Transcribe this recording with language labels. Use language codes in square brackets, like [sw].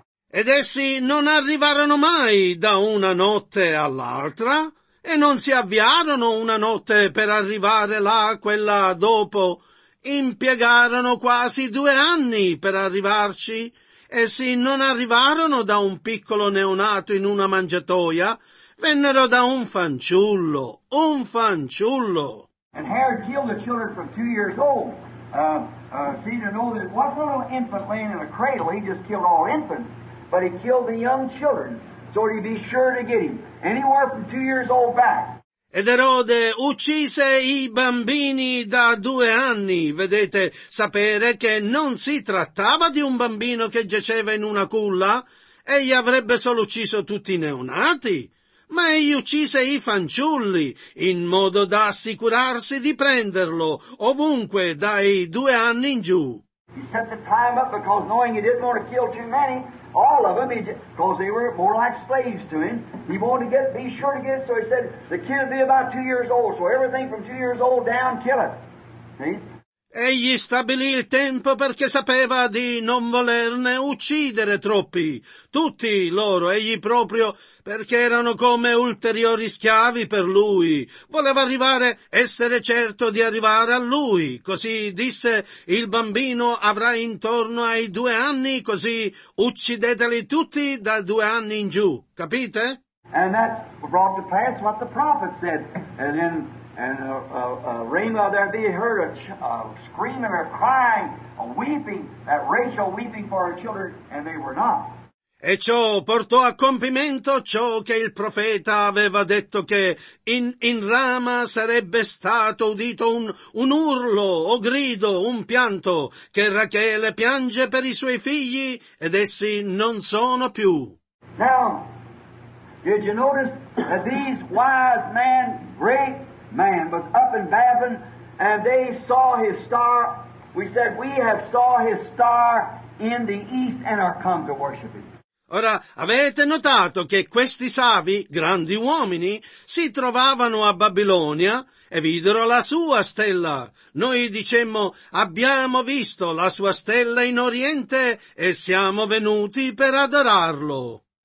[it] Ed essi non arrivarono mai da una notte all'altra, e non si avviarono una notte per arrivare là quella dopo. Impiegarono quasi 2 anni per arrivarci. Essi non arrivarono da un piccolo neonato in una mangiatoia. Vennero da un fanciullo, un fanciullo. [en] And Herod killed the children from 2 years old. See, to know that it wasn't a little infant laying in a cradle, he just killed all infants. But he killed the young children, so he'd be sure to get him. Anywhere from 2 years old back. [it] Ed Erode uccise i bambini da 2 anni, vedete, sapere che non si trattava di un bambino che giaceva in una culla, egli avrebbe solo ucciso tutti i neonati, ma egli uccise i fanciulli, in modo da assicurarsi di prenderlo, ovunque dai 2 anni in giù. [en] He set the time up because knowing he didn't want to kill too many, all of them, because they were more like slaves to him. He wanted to be sure to get it, so he said, the kid will be about 2 years old, so everything from 2 years old down, kill it. See? [it] Egli stabilì il tempo perché sapeva di non volerne uccidere troppi, tutti loro, egli proprio, perché erano come ulteriori schiavi per lui. Voleva arrivare, essere certo di arrivare a lui. Così disse, il bambino avrà intorno ai 2 anni, così uccideteli tutti da 2 anni in giù. Capite? [en] And that brought to pass what the prophet said. And then... And Rama, there be heard a screaming, a crying, a weeping, that Rachel weeping for her children, and they were not. [it] E ciò portò a compimento ciò che il profeta aveva detto, che in Rama sarebbe stato udito un urlo o grido, un pianto, che Rachele piange per i suoi figli ed essi non sono più. [en] Now, did you notice that these wise men, great man was up in Babylon, and they saw his star. We said, we have saw his star in the east and are come to worship him. [it] Ora, avete notato che questi savi, grandi uomini, si trovavano a Babilonia e videro la sua stella. Noi dicemmo, abbiamo visto la sua stella in Oriente e siamo venuti per adorarlo.